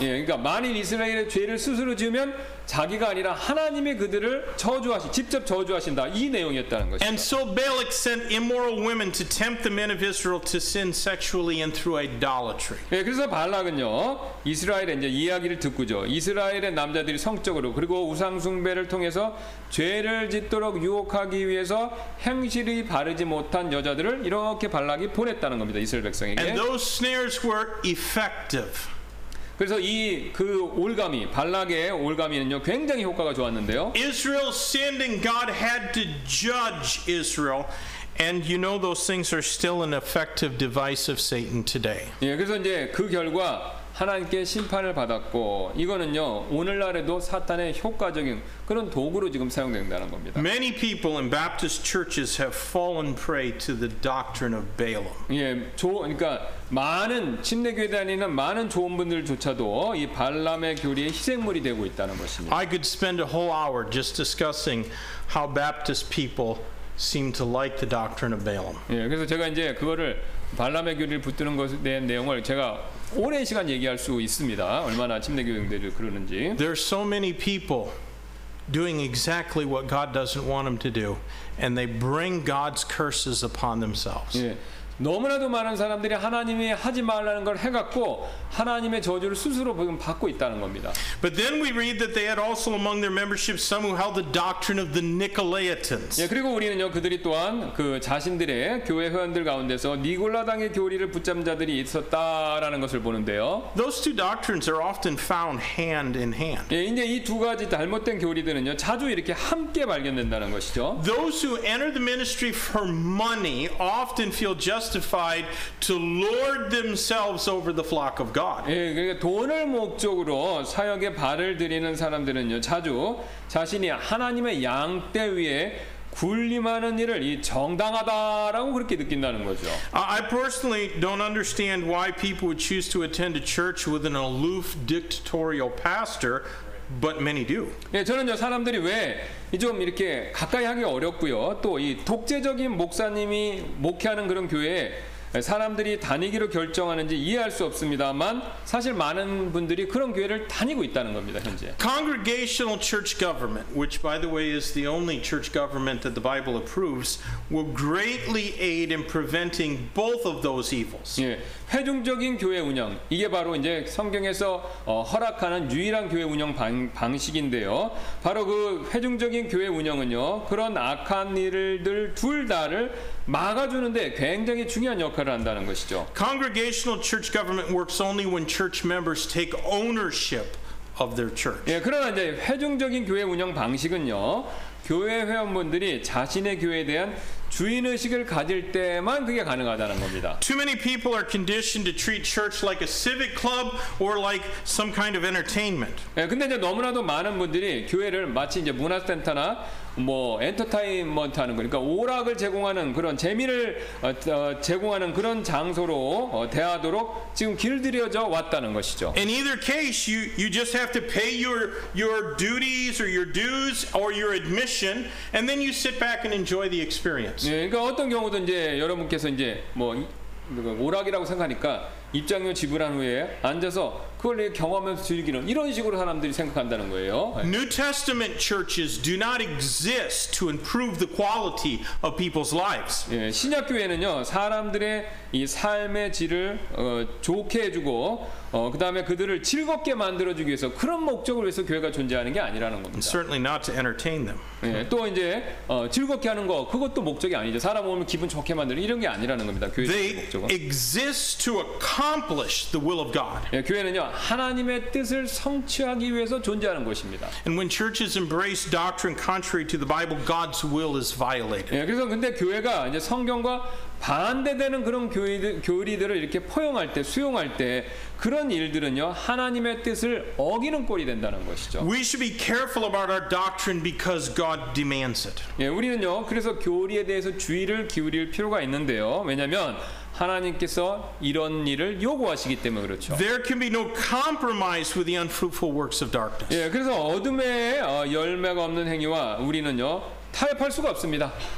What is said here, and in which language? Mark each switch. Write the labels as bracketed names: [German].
[Korean] 예, 그러니까 만일 이스라엘의 죄를 스스로 지으면 자기가 아니라 하나님이 그들을 직접 저주하신다. 이 내용이었다는 것입니다. [English] And so Balak sent immoral women to tempt the men of Israel to sin sexually and through idolatry. [Korean] 예, 그래서 발락은요. 이스라엘의 이제 이야기를 듣고죠. 이스라엘의 남자들이 성적으로 그리고 우상 숭배를 통해서 죄를 짓도록 유혹하기 위해서 행실이 바르지 못한 여자들을 이렇게 발락이 보냈다는 겁니다. 이스라엘 백성에게. [English] And those snares were effective. [Korean] 그래서 이 그 올가미 발락의 올가미는요 굉장히 효과가 좋았는데요. [English] Israel sinned and God had to judge Israel. And you know those things are still an effective device of Satan today. [Korean] 예, 그래서 이제 그 결과 하나님께 심판을 받았고 이거는요 오늘날에도 사탄의 효과적인 그런 도구로 지금 사용된다는 겁니다. [English] Many people in Baptist churches have fallen prey to the doctrine of Balaam. [Korean] 예, 그러니까 많은 침례교회 다니는 많은 좋은 분들조차도 이 발람의 교리의 희생물이 되고 있다는 것입니다. [English] I could spend a whole hour just discussing how Baptist people seem to like the doctrine of Balaam. [Korean] 예, 그래서 제가 이제 그거를 발람의 교리를 붙드는 것에 대한 내용을 제가 오랜 시간 얘기할 수 있습니다. 얼마나 침례교인들이 그러는지. [English] There are so many people doing exactly what God doesn't want them to do, and they bring God's curses upon themselves. [Korean] 예, 너무나도 많은 사람들이 하나님이 하지 말라는 걸 해갖고 하나님의 저주를 스스로 지금 받고 있다는 겁니다. [English] But then we read that they had also among their membership some who held the doctrine of the Nicolaitans. [Korean] 예, 그리고 우리는요 그들이 또한 그 자신들의 교회 회원들 가운데서 니골라당의 교리를 붙잡은 자들이 있었다라는 것을 보는데요. [English] Those two doctrines are often found hand in hand. [Korean] 예, 이제 이 두 가지 잘못된 교리들은요 자주 이렇게 함께 발견된다는 것이죠. [English] Those who enter the ministry for money often feel justified to lord themselves over the flock of God. [Korean] 예, 그러니까 돈을 목적으로 사역에 발을 들이는 사람들은요, 자주 자신이 하나님의 양떼 위에 군림하는 일을 이 정당하다라고 그렇게 느낀다는 거죠. [English] I personally don't understand why people would choose to attend a church with an aloof dictatorial pastor, but many do. [Korean] 예, 저는요, 사람들이 왜 좀 이렇게 가까이 하기 어렵고요. 또 이 독재적인 목사님이 목회하는 그런 교회에 사람들이 다니기로 결정하는지 이해할 수 없습니다만 사실 많은 분들이 그런 교회를 다니고 있다는 겁니다, 현재. [English] Congregational church government, which by the way is the only church government that the Bible approves, will greatly aid in preventing both of those evils. [Korean] 예, 회중적인 교회 운영. 이게 바로 이제 성경에서 허락하는 유일한 교회 운영 방식인데요. 바로 그 회중적인 교회 운영은요. 그런 악한 일들 둘 다를 막아주는데 굉장히 중요한 역할을 한다는 것이죠. [English] Congregational church government works only when church members take ownership of their church. [Korean] 예, 그러나 이제 회중적인 교회 운영 방식은요, 교회 회원분들이 자신의 교회에 대한 주인 의식을 가질 때만 그게 가능하다는 겁니다. [English] Too many people are conditioned to treat church like a civic club or like some kind of entertainment. [Korean] 예, 근데 이제 너무나도 많은 분들이 교회를 마치 이제 문화센터나 뭐 엔터테인먼트 하는 거니까 그러니까 오락을 제공하는 그런 재미를 제공하는 그런 장소로 대하도록 지금 길들여져 왔다는 것이죠. [English] In either case, you just have to pay your duties or your dues or your admission, and then you sit back and enjoy the experience. [Korean] 예, 그러니까 어떤 경우든 이제 여러분께서 이제 뭐 오락이라고 생각하니까 입장료 지불한 후에 앉아서 그걸 경험하면서 즐기는 이런 식으로 사람들이 생각한다는 거예요. [English] New Testament churches do not exist to improve the quality of people's lives. [Korean] 예, 신약 교회는요 사람들의 이 삶의 질을 좋게 해주고 그다음에 그들을 즐겁게 만들어주기 위해서 그런 목적을 위해서 교회가 존재하는 게 아니라는 겁니다. [English] Certainly not to entertain them. [Korean] 예, 또 이제 즐겁게 하는 거 그것도 목적이 아니죠. 사람 오면 기분 좋게 만드는 이런 게 아니라는 겁니다. 교회의 목적은. [English] They exist to accomplish accomplish the will of God. [Korean] 예, 교회는요, 하나님의 뜻을 성취하기 위해서 존재하는 것입니다. [English] And when churches embrace doctrine contrary to the Bible, God's will is violated. [Korean] 예, 그래서 근데 교회가 이제 성경과 반대되는 그런 교리들을 이렇게 포용할 때, 수용할 때 그런 일들은요 하나님의 뜻을 어기는 꼴이 된다는 것이죠. [English] We should be careful about our doctrine because God demands it. [Korean] 예, 우리는요 그래서 교리에 대해서 주의를 기울일 필요가 있는데요. 왜냐하면 하나님께서 이런 일을 요구하시기 때문에 그렇죠. [English] There can be no compromise with the unfruitful works of darkness. [Korean] 예, 그래서 어둠의 열매가 없는 행위와 우리는요 타협할 수가 없습니다.